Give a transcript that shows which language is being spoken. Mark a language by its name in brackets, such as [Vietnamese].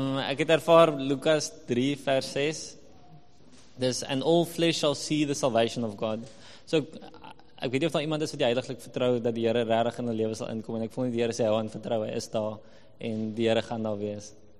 [Afrikaans] Ek het ervaar Lukas 3 vers 6. Dis, [English] and all flesh shall see the salvation of God. [Afrikaans] So, ek weet nie of daar iemand is wat die heiliglik vertrou dat die Here regtig in hulle lewe sal inkom, en ek voel nie die Here sê hou aan vertroue is daar, en die Here gaan daar wees.